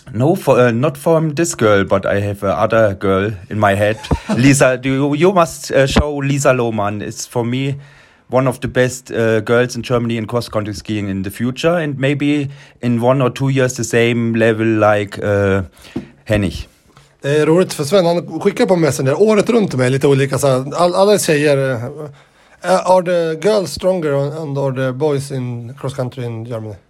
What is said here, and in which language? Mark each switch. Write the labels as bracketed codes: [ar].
[en] No, not from this girl, but I have another girl in my head. Lisa, you must show Lisa Lohmann. It's for me one of the best girls in Germany in cross-country skiing in the future and maybe in 1 or 2 years the same level like Hennig. [sv] Det är roligt för Sven, han skickar på Messenger året runt med lite olika. Så alla tjejer, [en] are the girls stronger and are the boys in cross-country in Germany?